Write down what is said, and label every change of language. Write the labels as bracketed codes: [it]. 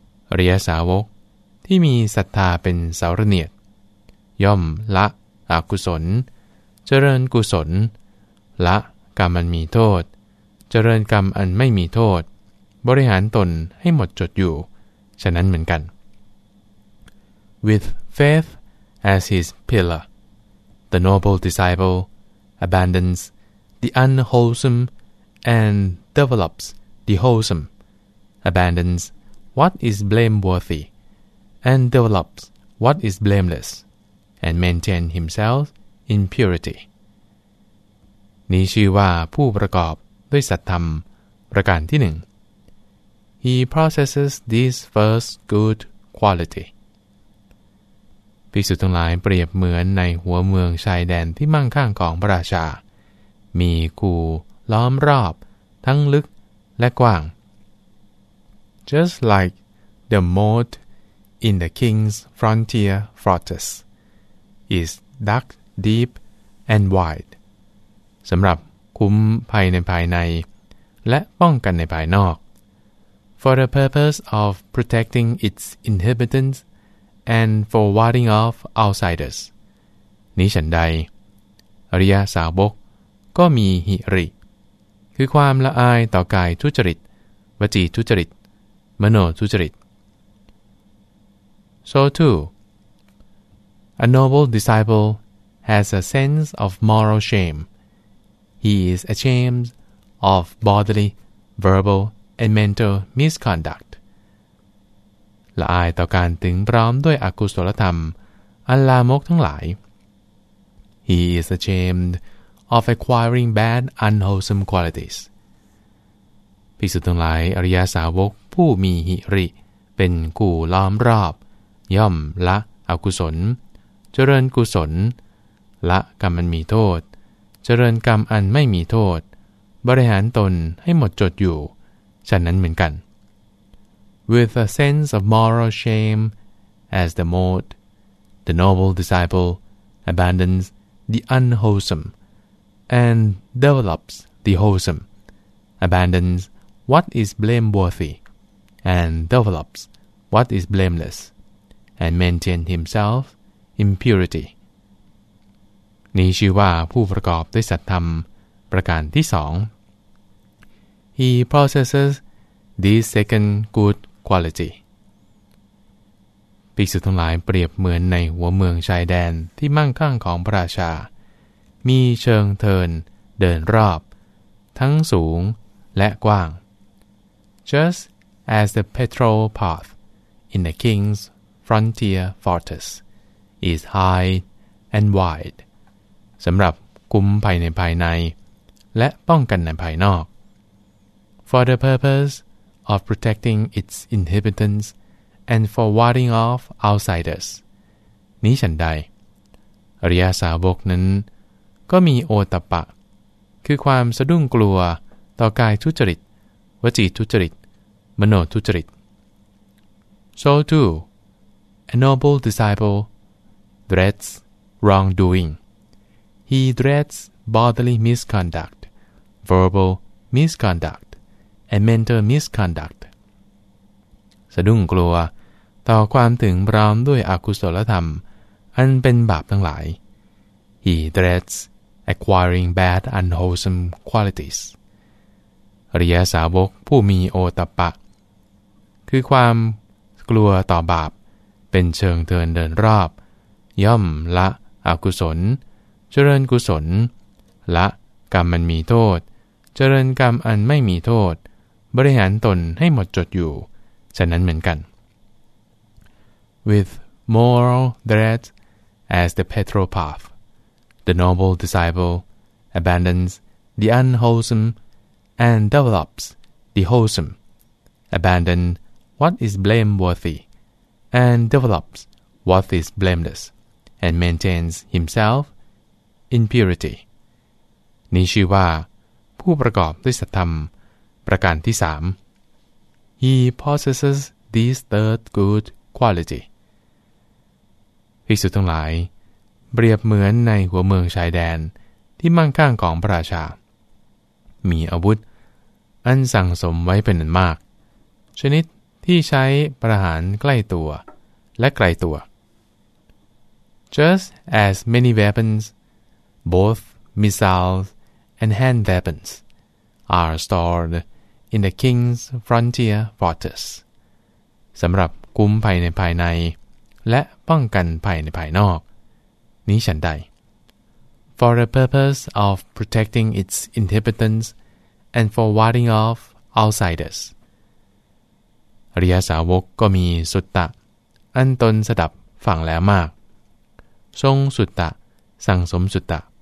[th] อริยสาวกที่มีศรัทธาเป็นสารเนียดย่อมละอกุศลเจริญกุศลละกรรมอันมีโทษเจริญกรรมอันไม่มีโทษบริหารตนให้หมดจดอยู่ฉะนั้นเหมือนกัน [en] With faith as his pillar the noble disciple abandons the unwholesome and develops the wholesome abandons what is blameworthy and develops what is blameless and maintain himself in purity. [th] นี้ชื่อว่าผู้ประกอบด้วยสัทธรรมประการที่หนึ่ง [en] He processes this first good quality. [th] ภิกษุทั้งหลายเปรียบเหมือนในหัวเมืองชายแดนที่มั่งคั่งของพระราชามีคูล้อมรอบทั้งลึกและกว้าง [en] Just like the moat in the king's frontier fortress. Is dark, deep, and wide. [th] สำหรับคุ้มภัยในภายในและป้องกันในภายนอก [en] For the purpose of protecting its inhabitants and for warding off outsiders. [th] นี้ฉันใดอริยสาวกก็มีหิริคือความละอายต่อกายทุจริตวจีทุจริตมโนทุจริต [en] So tooA noble disciple has a sense of moral shame. He is ashamed of bodily, verbal, and mental misconduct. [th] ละอายต่อการถึงพร้อมด้วยอกุศลธรรมอันลามกทั้งหลาย [en] He is ashamed of acquiring bad, unwholesome qualities. [th] ภิกษุทั้งหลายอริยสาวกผู้มีหิริเป็นกู่ล้อมรอบย่อมละอกุศลเจริญกุศลละกรรมอันมีโทษเจริญกรรมอันไม่มีโทษบริหารตนให้หมดจดอยู่ฉะนั้นเหมือนกัน [en] With a sense of moral shame as the mode the noble disciple abandons the unwholesome and develops the wholesome abandons what is blameworthy and develops what is blameless and maintains himselfimpurity [th] นี้ชื่อว่าผู้ประกอบด้วยสัทธรรมประการที่2 [en] He processes this second good quality [th] ภิกษุทั้งหลายเปรียบเหมือนในหัวเมืองชายแดนที่มั่งคั่งของพระราชามีเชิงเทินเดินรอบทั้งสูงและกว้าง [en] Just as the patrol path in the king's frontier fortress is high and wide [th] สำหรับคุ้มภัยในภายในและป้องกันในภายนอก [en] for the purpose of protecting its inhabitants and for warding off outsiders. [th] นี้ฉันใดอริยสาวกนั้นก็มีโอตัปปะคือความสะดุ้งกลัวต่อกายทุจริตวจีทุจริตมโนทุจริต [en] So too, a noble disciple dreads wrongdoing. He dreads bodily misconduct, verbal misconduct, and mental misconduct. [th] สะดุ้งกลัวต่อความถึงพร้อมด้วยอกุศลธรรมอันเป็นบาปทั้งหลาย [en] He dreads acquiring bad unwholesome qualities. [th] อริยสาวกผู้มีโอตัปปะคือความกลัวต่อบาปเป็นเชิงเทินเดินรอบย่อมละอกุศลเจริญกุศลละกรรมมันมีโทษเจริญกรรมอันไม่มีโทษบริหารตนให้หมดจดอยู่ฉะนั้นเหมือนกัน [en] With moral dread as the petrol path, the noble disciple abandons the unwholesome and develops the wholesome. Abandon what is blameworthy and develops what is blameless. And maintains himself in purity. [th] นี้ชื่อว่าผู้ประกอบด้วยสัทธรรมประการที่3 [en] He possesses this third good quality. [th] ภิกษุทั้งหลายเปรียบเหมือนในหัวเมืองชายแดนที่มั่งคั่งของพระราชามีอาวุธอันสั่งสมไว้เป็นอันมากชนิดที่ใช้ประหารใกล้ตัวและไกลตัว [en] Just as many weapons, both missiles and hand weapons, are stored in the king's frontier fortress. [th] สำหรับคุ้มภัยในภายในและป้องกันภัยในภายนอกนี้ฉันใด [en] For the purpose of protecting its inhabitants and for warding off outsiders. [th] อริยสาวกก็มีสุตตะอันตนสดับฟังแล้วมากทรงสุตตะสั่งสมสุตตะ